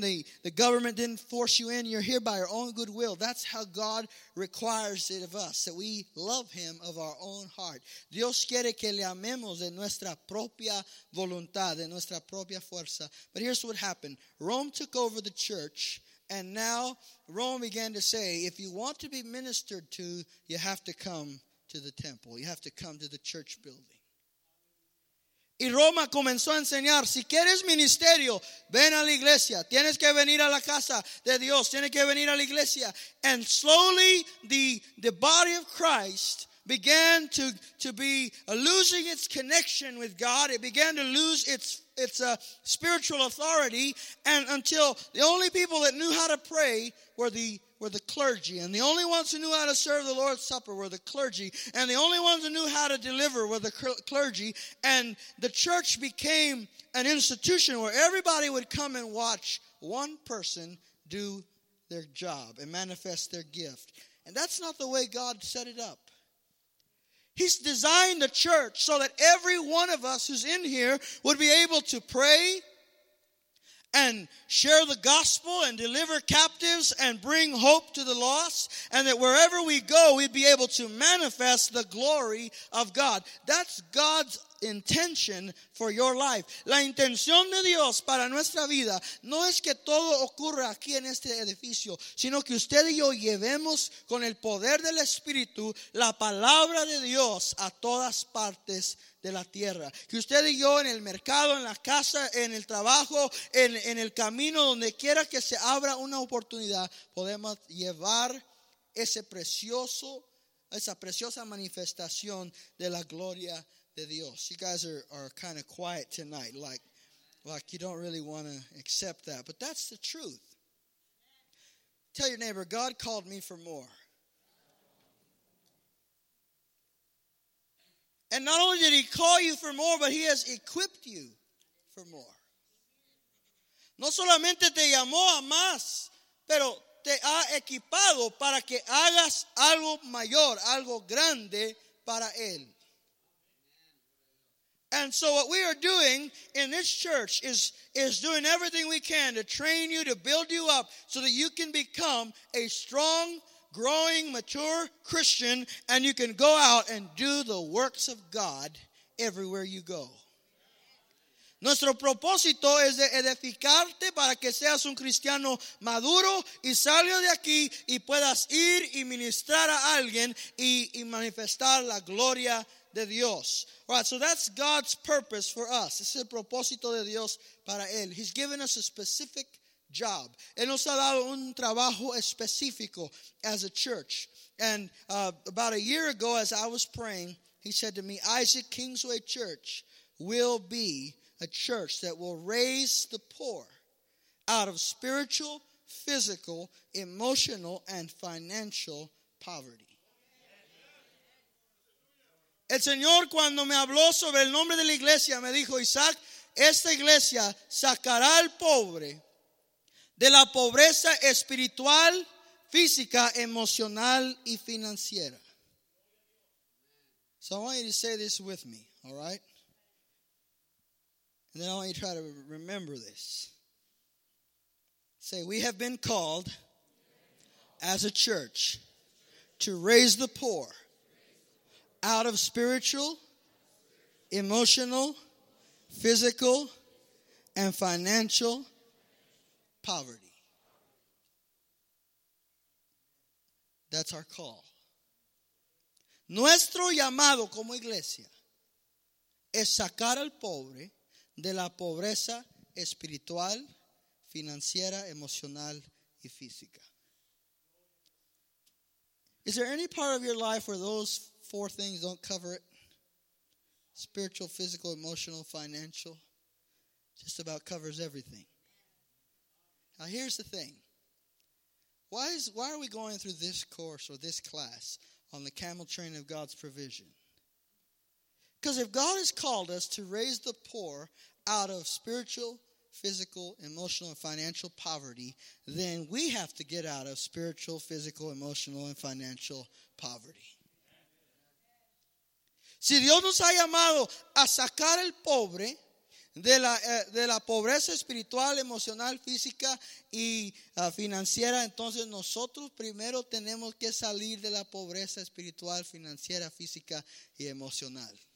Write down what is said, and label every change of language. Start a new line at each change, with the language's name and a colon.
English: The government didn't force you in. You're here by your own good will. That's how God requires it of us, that we love him of our own heart.
Spanish: Dios quiere que le amemos de nuestra propia voluntad, de nuestra propia fuerza.
English: But here's what happened. Rome took over the church, and now Rome began to say, if you want to be ministered to, you have to come to the temple. You have to come to the church building.
Spanish: Y Roma comenzó a enseñar, si quieres ministerio, ven a la iglesia. Tienes que venir a la casa de Dios. Tienes que venir a la iglesia.
English: And slowly the body of Christ began to be losing its connection with God. It began to lose its spiritual authority. And until the only people that knew how to pray were the clergy. And the only ones who knew how to serve the Lord's Supper were the clergy. And the only ones who knew how to deliver were the clergy. And the church became an institution where everybody would come and watch one person do their job and manifest their gift. And that's not the way God set it up. He's designed the church so that every one of us who's in here would be able to pray and share the gospel and deliver captives and bring hope to the lost, and that wherever we go, we'd be able to manifest the glory of God. That's God's intention for your life.
Spanish: La intención de Dios para nuestra vida no es que todo ocurra aquí en este edificio, sino que usted y yo llevemos con el poder del Espíritu la palabra de Dios a todas partes de la tierra. Que usted y yo en el mercado, en la casa, en el trabajo, en el camino, donde quiera que se abra una oportunidad, podemos llevar ese precioso, esa preciosa manifestación de la gloria de Dios.
English: You guys are kind of quiet tonight, like you don't really want to accept that, but that's the truth. Tell your neighbor, God called me for more. And not only did he call you for more, but he has equipped you for more.
Spanish: No solamente te llamó a más, pero te ha equipado para que hagas algo mayor, algo grande para él.
English: And so what we are doing in this church is doing everything we can to train you, to build you up, so that you can become a strong, growing, mature Christian, and you can go out and do the works of God everywhere you go.
Spanish: Nuestro propósito es de edificarte para que seas un cristiano maduro y salga de aquí y puedas ir y ministrar a alguien y manifestar la gloria de Dios.
English: All right, so that's God's purpose for us.
Spanish: Es el propósito de Dios para él.
English: He's given us a specific job.
Spanish: Él nos ha dado un trabajo específico
English: as a church. And about a year ago, as I was praying, he said to me, Isaac, Kingsway Church will be a church that will raise the poor out of spiritual, physical, emotional, and financial poverty.
Spanish: El Señor, cuando me habló sobre el nombre de la iglesia, me dijo, Isaac, esta iglesia sacará al pobre de la pobreza espiritual, física, emocional, y financiera.
English: So I want you to say this with me, all right? And then I want you to try to remember this. Say, we have been called as a church to raise the poor out of spiritual, emotional, physical, and financial poverty. That's our call.
Spanish: Nuestro llamado como iglesia es sacar al pobre de la pobreza espiritual, financiera, emocional, y física.
English: Is there any part of your life where those four things don't cover it? Spiritual, physical, emotional, financial. Just about covers everything. Now here's the thing. Why are we going through this course or this class on the camel train of God's provision? Because if God has called us to raise the poor out of spiritual, physical, emotional, and financial poverty, then we have to get out of spiritual, physical, emotional, and financial poverty.
Spanish: Si Dios nos ha llamado a sacar el pobre de la pobreza espiritual, emocional, física y financiera, entonces nosotros primero tenemos que salir de la pobreza espiritual, financiera, física y emocional.